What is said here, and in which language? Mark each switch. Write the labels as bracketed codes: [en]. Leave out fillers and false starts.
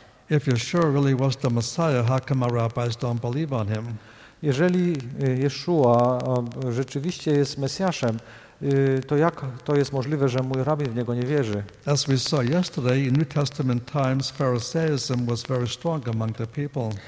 [en] If you're sure really was the Messiah, how come our rabbis don't believe on him? [pl] Jeżeli Yeshua rzeczywiście jest Mesjaszem, to jak to jest możliwe, że mój rabin w niego nie wierzy? [en] As we saw yesterday, in New Testament times, Pharisaism was very strong among the people.